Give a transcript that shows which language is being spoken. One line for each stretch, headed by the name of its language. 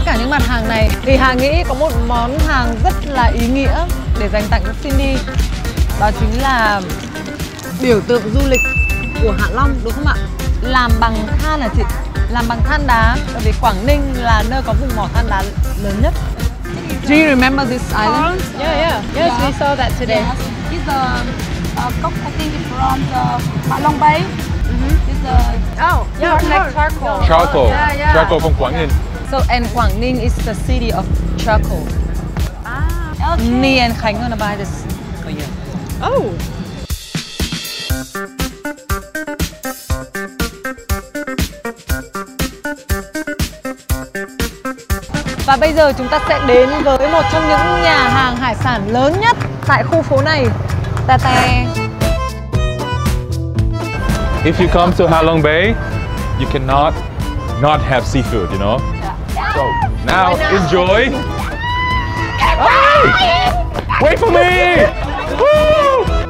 Vietnamese: Mặt hàng này thì Hà nghĩ có một món hàng rất là ý nghĩa để dành tặng cho Cindy, đó chính là biểu tượng du lịch của Hạ Long, đúng không ạ? Làm bằng than hả chị? Làm bằng than đá, bởi vì Quảng Ninh là nơi có vùng mỏ than đá lớn nhất.
English: Do you remember this island? Yeah, yeah. Yes, we saw that today. Yeah. It's a cock, I think it's from the Hạ Long Bay. It's charcoal. Charcoal from Quảng Ninh. So, and Quảng Ninh is the city of charcoal. Ah, okay. Me and Khánh gonna buy this for you. Oh!
Vietnamese: Và bây giờ chúng ta sẽ đến với một trong những nhà hàng hải sản lớn nhất tại khu phố này. Tà tà.
English: If you come to Hạ Long Bay, you cannot not have seafood, you know? So, now, enjoy! Hey! Wait for me! Woo!